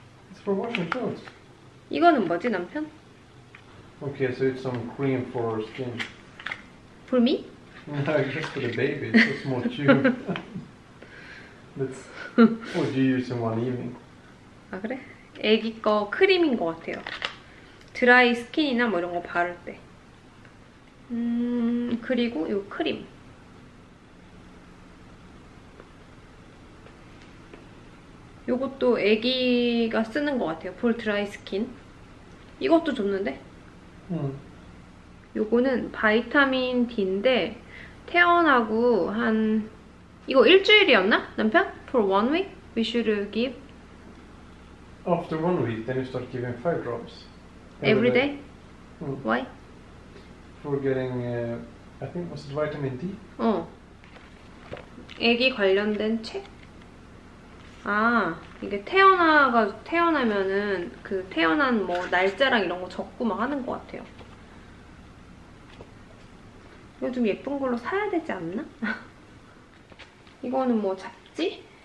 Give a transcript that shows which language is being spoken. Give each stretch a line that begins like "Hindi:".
English: It's for washing clothes.
Korean: 이거는 뭐지 남편?
English: Okay, so it's some cream for skin. For me? No, just for the baby. It's just more chew. That's what you use in one evening.
Korean: 아 그래? 애기 거 크림인 것 같아요. 드라이 스킨이나 뭐 이런 거 바를 때. 그리고 요 크림. 요것도 애기가 쓰는 것 같아요. 볼 드라이 스킨. 이것도 좋는데? 요거는 바이타민 D인데 태어나고 한 이거 일주일이었나? 남편?
English: For one week we should give. After one week, then you start giving 5 drops. Every day? Mm. Why? For getting, I think, was it vitamin D?
Korean: 어. 아기 관련된 책? 아, 이게 태어나면은 그 태어난 뭐 날짜랑 이런 거 적고 막 하는 것 같아요. 이거 좀 예쁜 걸로 사야 되지 않나? 이거는 뭐 잡지?